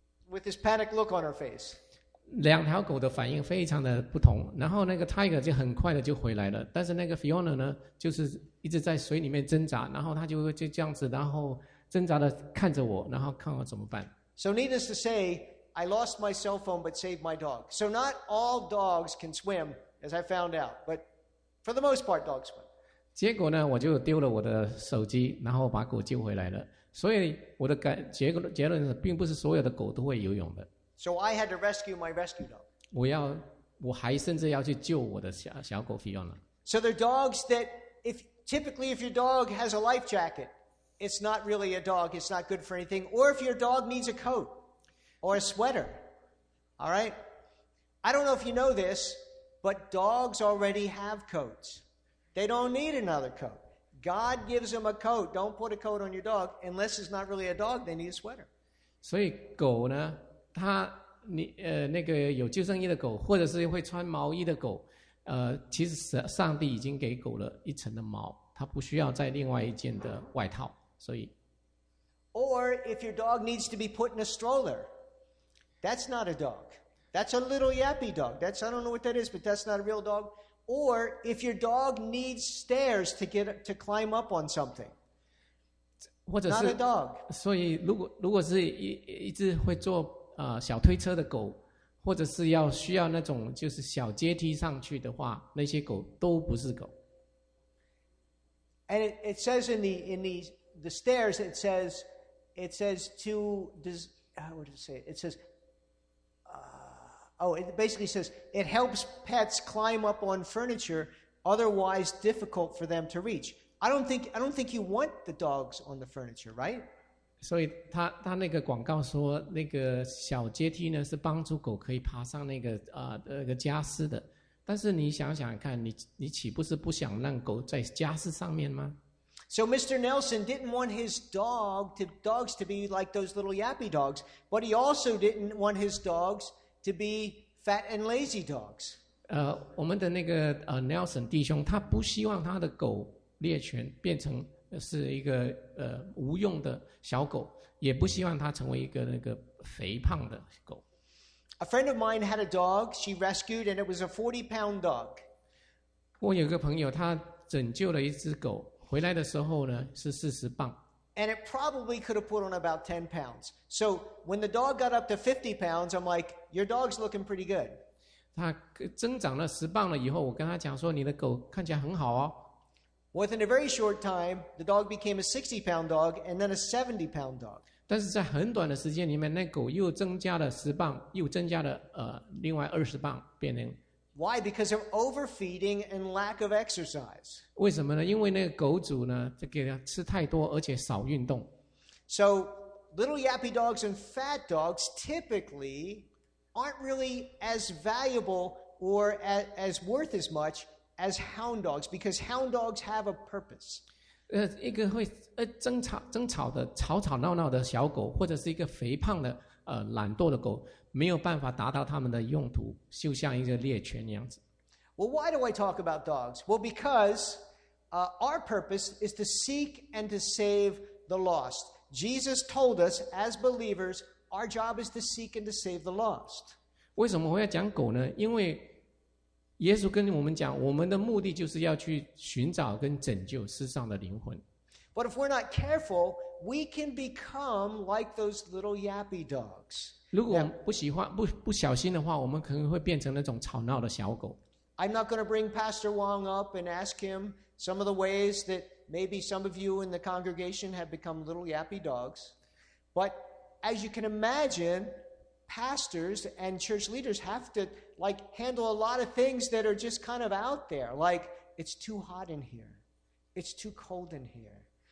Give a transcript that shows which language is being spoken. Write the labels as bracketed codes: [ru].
[en] With this panic look on her face. [zh] 两条狗的反应非常的不同，然后那个 Tiger 就很快的就回来了，但是那个 Fiona 呢，就是一直在水里面挣扎，然后她就这样子，然后挣扎的看着我，然后看我怎么办。 [en] So needless to say, I lost my cell phone but saved my dog. So not all dogs can swim, as I found out, but for the most part, dogs swim. [zh] 结果呢，我就丢了我的手机，然后把狗救回来了。所以我的结论是，并不是所有的狗都会游泳的。 [en] So I had to rescue my rescue dog. [zh] 我还甚至要去救我的 小狗 Fiona。 [en] So there are dogs that, if typically if your dog has a life jacket, it's not really a dog. It's not good for anything. Or if your dog needs a coat or a sweater. All right. I don't know if you know this, but dogs already have coats. They don't need another coat. God gives him a coat. Don't put a coat on your dog unless it's not really a dog. They need a sweater. [zh] 所以狗呢，它你那个有救生衣的狗，或者是会穿毛衣的狗，其实上帝已经给狗了一层的毛，它不需要再另外一件的外套。所以 [en] ，Or if your dog needs to be put in a stroller, that's not a dog. That's a little yappy dog. That's I don't know what that is, but that's not a real dog. Or if your dog needs stairs to climb up on something, [zh] 或者是 [en] not a dog. [zh] 所以如果是一只会坐小推车的狗，或者是要需要那种就是小阶梯上去的话，那些狗都不是狗。 [en] And it says in the stairs it says to does how would it say it says. Oh, it basically says, it helps pets climb up on furniture otherwise difficult for them to reach. I don't think you want the dogs on the furniture, right? [zh] 所以他那个广告说那个小阶梯呢是帮助狗可以爬上那个家饰的。但是你想想看你岂不是不想让狗在家饰上面吗？ [en] So Mr. Nelson didn't want his dogs to be like those little yappy dogs, but he also didn't want his dogs...to be fat and lazy dogs. [zh] 我们的那个Nelson 弟兄，他不希望他的狗猎犬变成是一个无用的小狗，也不希望他成为一个那个肥胖的狗。 [en] A friend of mine had a dog she rescued, and it was a 40-pound dog. [zh] 我有个朋友，他拯救了一只狗，回来的时候呢是40磅。 [en] And it probably could have put on about 10 pounds. So when the dog got up to 50 pounds, I'm like, your dog's looking pretty good. [zh] 他增长了10磅了以后，我跟他讲说，你的狗看起来很好哦。 [en] Within a very short time, the dog became a 60-pound dog and then a 70-pound dog. [zh] 但是在很短的时间里面，那狗又增加了10磅，又增加了另外20磅，变成。 [en] Why? Because of overfeeding and lack of exercise. [zh] 为什么呢？因为那个狗主呢，这个吃太多，而且少运动。 [en] So little yappy dogs and fat dogs typically aren't really as valuable or as worth as much. As hound dogs, because hound dogs have a purpose. [zh] 一个会争吵的吵吵闹闹的小狗，或者是一个肥胖的懒惰的狗，没有办法达到他们的用途，就像一个猎犬那样子。 [en] Well, why do I talk about dogs? Well, because our purpose is to seek and to save the lost. Jesus told us, as believers, our job is to seek and to save the lost. [zh] 为什么我要讲狗呢？因为耶稣跟我们讲，我们的目的就是要去寻找跟拯救世上的灵魂。 [en] But if we're not careful, we can become like those little yappy dogs. [zh] 如果我们不小心的话，我们可能会变成那种吵闹的小狗。 [en] I'm not going to bring Pastor Wong up and ask him some of the ways that maybe some of you in the congregation have become little yappy dogs. But as you can imagine, pastors and church leaders have to. Like handle a lot of things that are just kind of out there. Like it's too hot in here, it's too cold in here.